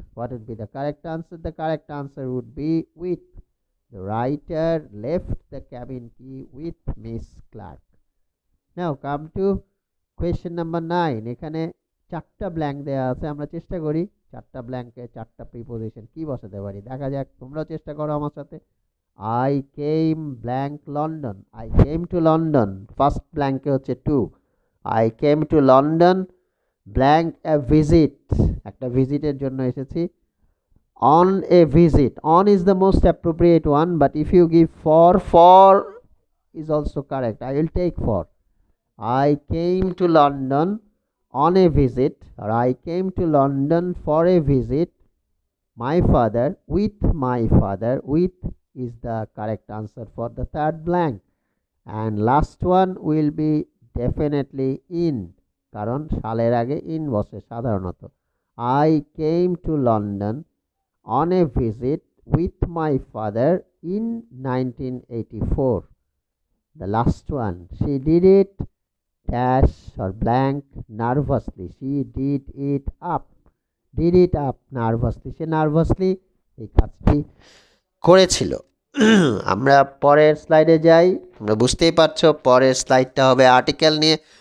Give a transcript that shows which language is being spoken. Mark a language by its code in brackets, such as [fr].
[en] What would be the correct answer? The correct answer would be with. The writer left the cabin key with Miss Clark. Now come to [bn] question number nine. এখানে চারটা blank দেওয়া আছে, আমরা চেষ্টা করি চারটা ব্ল্যাঙ্কে চারটা preposition কী বসাতে পারি, দেখা যাক। তোমরাও চেষ্টা করো আমার সাথে। [en] I came blank London, I came to London, first ব্ল্যাঙ্কে হচ্ছে to. I came to London blank a visit, [bn] একটা ভিজিটের জন্য এসেছি। [en] On a visit, on is the most appropriate one, but if you give for, for is also correct, I will take for. I came to London on a visit, or I came to London for a visit, with my father, with is the correct answer for the third blank. And last one will be definitely in, [bn] কারণ সালের আগে in বসে সাধারণত। [en] I came to London on a visit with my father in 1984. The last one, she did it dash or blank nervously, she did it up, did it up nervously, [bn] say nervously এই কাজটি করেছিল। আমরা পরের স্লাইডে যাই, তোমরা বুঝতেই পারছো পরের স্লাইডটা হবে আর্টিকেল নিয়ে।